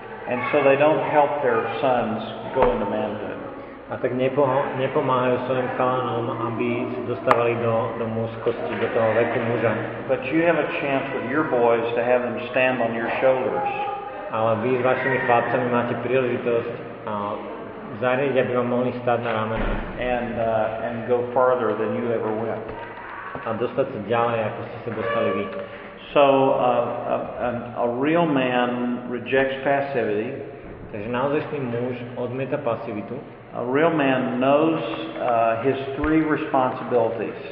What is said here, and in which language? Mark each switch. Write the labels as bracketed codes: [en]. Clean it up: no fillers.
[en] And so they don't help their sons go into manhood. [sk] A tak nepomáhajú svojim chalanom, aby sa dostávali do mužskosti, do toho veku muža. [en] But you have a chance with your boys to have them stand on your shoulders. [sk] Ale vy s vašimi chlapcami máte príležitosť zariadiť, aby vám mohli stáť na ramenách. [en] And go farther than you ever went. [sk] A dostať sa ďalej, ako ste sa dostali vy. [en] So a real man rejects passivity. [sk] Takže naozajstný muž odmieta pasivitu. [en] A real man knows his three responsibilities.